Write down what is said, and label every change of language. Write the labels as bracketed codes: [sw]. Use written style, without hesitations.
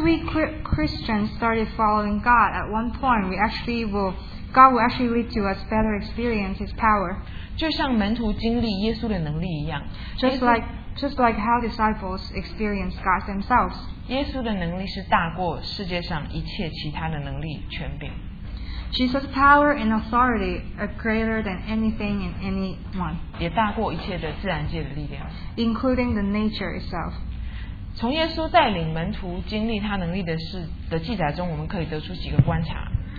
[en] we Christians started following God, at one point God will actually lead to us better experience His power. [zh] 就像门徒经历耶稣的能力一样， [en] just like how disciples experience God themselves. [zh] 耶稣的能力是大过世界上一切其他的能力权柄。 [en] Jesus' power and authority are greater than anything in anyone. [zh] 也大过一切的自然界的力量。 [en] Including the nature itself. [zh] 从耶稣带领门徒经历他能力的记载中，我们可以得出几个观察。